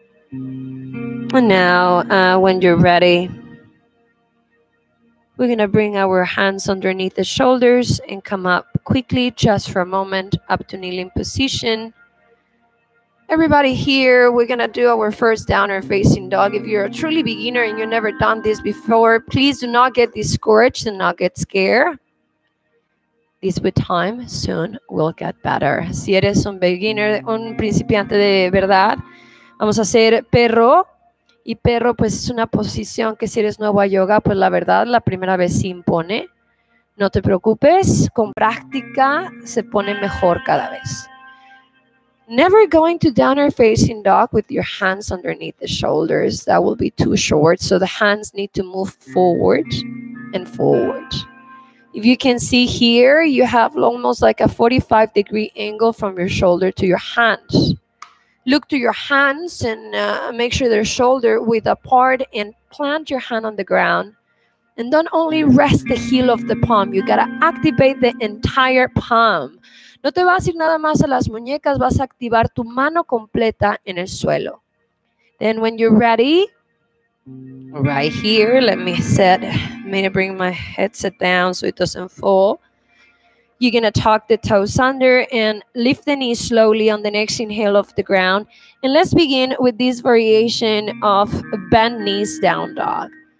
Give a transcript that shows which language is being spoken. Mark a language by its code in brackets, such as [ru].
[en] And now, when you're ready, we're going to bring our hands underneath the shoulders and come up quickly, just for a moment, up to kneeling position. Everybody here, we're going to do our first downward facing dog. If you're a truly beginner and you've never done this before, please do not get discouraged and not get scared. This with time soon will get better. [es] Si eres un beginner, un principiante de verdad, vamos a hacer perro. Y perro, pues, es una posición que si eres nuevo a yoga, pues, la verdad, la primera vez se impone. No te preocupes, con práctica se pone mejor cada vez. [en] Never going to downward facing dog with your hands underneath the shoulders. That will be too short. So the hands need to move forward and forward. If you can see here, you have almost like a 45-degree angle from your shoulder to your hands. Look to your hands and make sure they're shoulder width apart and plant your hand on the ground. And don't only rest the heel of the palm. You got to activate the entire palm. [es] No te vas a ir nada más a las muñecas, vas a activar tu mano completa en el suelo. [en] Then when you're ready, right here, let me set, maybe bring my headset down so it doesn't fall. You're going to tuck the toes under and lift the knees slowly on the next inhale off the ground. And let's begin with this variation of bend knees down dog.